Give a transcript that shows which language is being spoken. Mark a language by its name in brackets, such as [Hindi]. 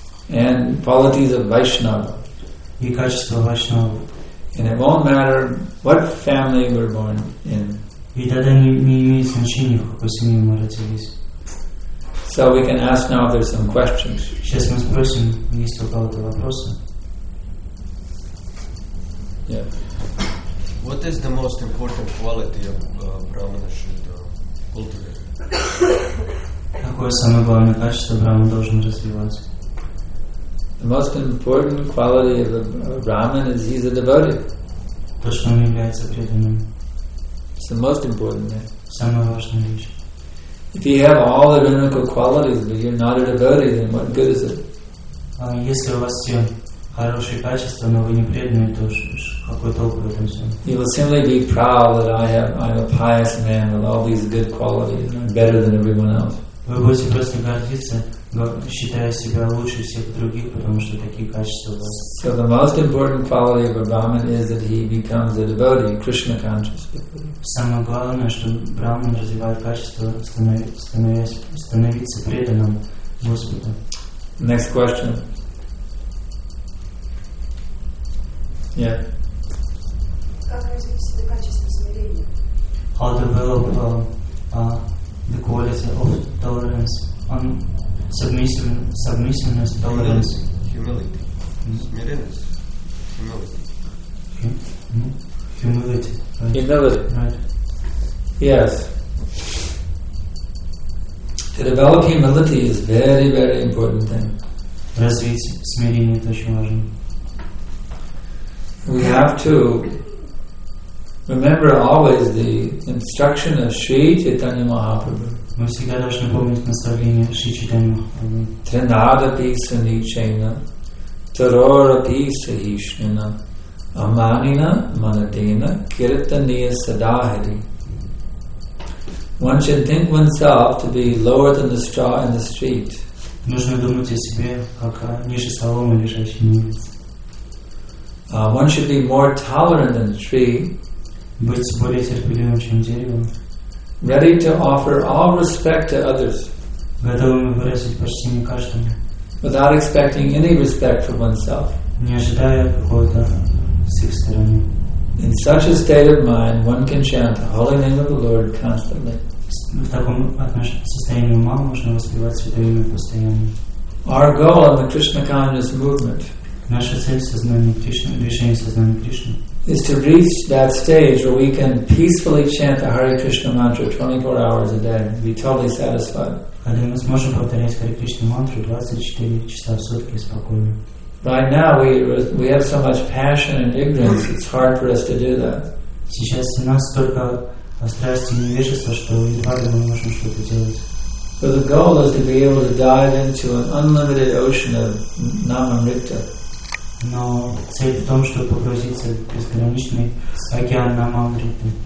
[English] and qualities of Vaishnava, [Russian] и качество Вайшнава. [English] And it won't matter what family we're born in. [Russian] И тогда не имеет значения, в какой семье мы родились. [English] So we can ask now if there's some questions. [Russian] Сейчас мы спросим, есть у кого-то вопросы. [English] Yeah. What is the most important quality of Brahmana should cultivate? [Russian] Какое самое главное качество Брахмана должен развивать? [English] The most important quality of a Brahman is he's a devotee. [Russian] То, что он является преданным. [English] It's the most important thing. [Russian] Самая важная вещь. [English] If you have all the rinical qualities, but you're not a devotee, then what good is it? [Russian] Если у вас все хорошие качества, но вы не преданные, то какой толк в этом всем? [English] You will simply be proud that I'm a pious man with all these good qualities, and I'm better than everyone else. [Russian] Вы будете просто гордиться, считая себя лучше всех других, потому что такие качества у вас. [English] So the most important quality of a Brahman is that he becomes a devotee, Krishna conscious. [Russian] Самое главное, что Брахман развивает качество становиться преданным Господу. [English] Next question. Yeah. [Russian] Как развить качество смирения? [English] How develop the quality of tolerance on submissiveness, tolerance, humility. Smiriness. Humility. Humility. Right. Humility. Right. Yes. To develop humility is very, very important thing. [Russian] Развить смирение очень важно. [English] We have to remember always the instruction of Sri Chaitanya Mahaprabhu. [Russian] Мы всегда должны помнить наставление Шри Чайтанья Махапрабху. [Sanskrit] Тринадапи санишена, тарорапи сахишнена, аманина манатена, киртанья садахари. [English] One should think oneself to be lower than the straw in the street. [Russian] Нужно думать о себе, как о ниже соломы лежащей ниве. [English] One should be more tolerant than the tree. [Russian] Быть более терпеливым, чем дерево. [English] Ready to offer all respect to others. [Russian] Готовыми выразить почтение каждому. [English] Without expecting any respect for oneself. [Russian] Не ожидая какого-то с их стороны. [English] In such a state of mind, one can chant the holy name of the Lord constantly. [Russian] в таком состоянии ума можно воспевать святое имя постоянно. [English] Our goal in the Krishna consciousness movement. [Russian] Наша цель в сознании Кришны, движение сознания Кришны. [English] Is to reach that stage where we can peacefully chant the Hare Krishna mantra 24 hours a day, be totally satisfied. [Russian] Когда мы сможем повторять Hare Krishna мантру 24 часа в сутки спокойно. [English] Right now we have so much passion and ignorance, it's hard for us to do that. [Russian] Сейчас у нас столько страсти и невежества, что едва ли мы можем что-то делать. [English] So the goal is to be able to dive into an unlimited ocean of Namamrita. [Russian] Но цель в том, чтобы погрузиться в безграничный океан Намамриты.